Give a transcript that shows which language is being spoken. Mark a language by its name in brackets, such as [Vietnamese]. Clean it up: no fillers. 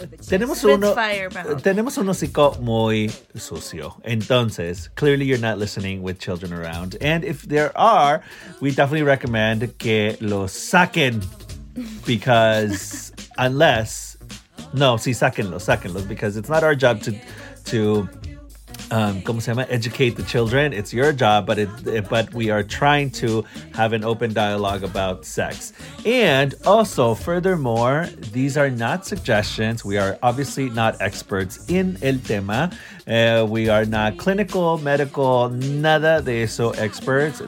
[Spanish] Tenemos un hocico muy sucio. Entonces, [English] clearly you're not listening with children around. And if there are, we definitely recommend [Spanish] que lo saquen. [English] Because unless... [Spanish] No, sí, sáquenlo. [English] Because it's not our job to [Spanish] ¿cómo se llama? [English] Educate the children. It's your job, but we are trying to have an open dialogue about sex. And also, furthermore, these are not suggestions. We are obviously not experts in [Spanish] el tema. [English] We are not clinical, medical, [Spanish] nada de eso [English] experts.